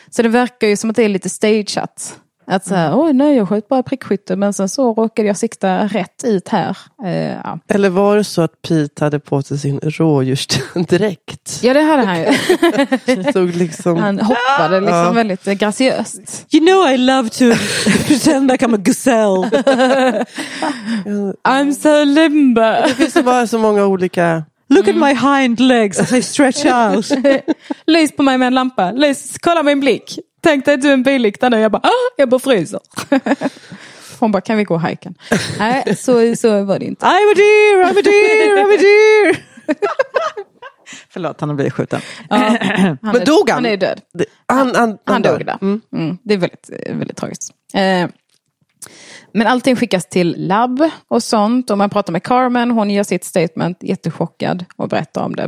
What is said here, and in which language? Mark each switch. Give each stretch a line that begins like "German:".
Swedish: Så det verkar ju som att det är lite stageat. Att så här, oj nej, jag sköt bara prickskytte, men sen så råkade jag sikta rätt ut här. Ja. Eller var det så att Pete hade på sig sin rådjursdräkt? Ja, det hade han ju. Såg liksom... Han hoppade liksom väldigt graciöst.
English: You know I love to pretend like I'm a gazelle. I'm so limber.
Swedish: Det finns bara så många olika...
English: Look at my hind legs as I stretch out.
Swedish: Lys på mig med en lampa. Lys, kolla min blick. Tänkte att du är en billykta nu. Jag bara, jag bara fryser. Hon bara, kan vi gå hajken? Nej, så var det inte.
English: I'm a deer, I'm a deer, I'm a deer.
Swedish: Förlåt, han har blivit skjuten. Ja, han men dog han? Han är död. Han dog då. Mm. Det är väldigt, väldigt tragiskt. Men allting skickas till labb och sånt. Och man pratar med Carmen. Hon gör sitt statement, jättechockad, och berättar om det.